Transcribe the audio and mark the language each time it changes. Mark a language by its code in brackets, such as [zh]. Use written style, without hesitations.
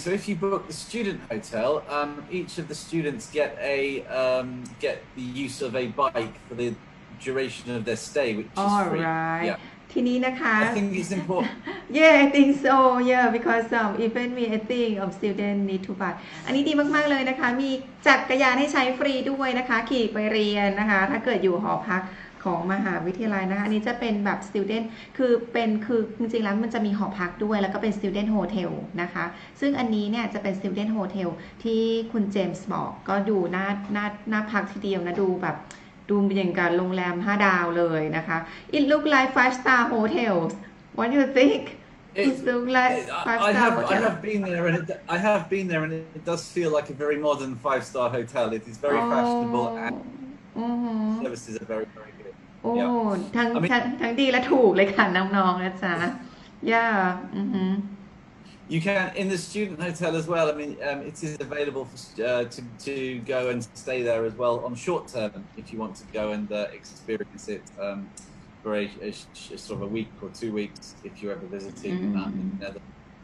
[en] So if you book the student hotel, each of the students get a get the use of a bike for the duration of their stay, which All is free. Right. Yeah. [th] ทีนี้นะคะ [en] I think it's important. Yeah, I think so. Yeah, because even me, I think of student need to buy. [th] อันนี้ดีมากๆเลยนะคะมีจักรยานให้ใช้ฟรีด้วยนะคะขี่ไปเรียนนะคะถ้าเกิดอยู่หอพักของมหาวิทยาลัยนะคะอันนี้จะเป็นแบบ student คือเป็นคือจริงๆแล้วมันจะมีหอพักด้วยแล้วก็เป็น student hotel นะคะซึ่งอันนี้เนี่ยจะเป็น student hotel ที่คุณเจมส์บอกก็ดูน่าพักทีเดียวนะดูแบบดูเป็นอย่างการโรงแรม5ดาวเลยนะคะ [en] It look like five star hotels What do you think It look like five star hotel I have been there and it does feel like a very modern five star hotel It is very fashionable and services are very very โอ้ yeah. [th] ทั้ง [en] I mean, [th] ทั้งดีและถูกเลยค่ะน้องๆนะจ๊ะ yeah [en] you can in the student hotel as well I mean it is available for, to go and stay there as well on short term if you want to go and experience it for a sort of a week or 2 weeks if you're ever visiting in Netherlands,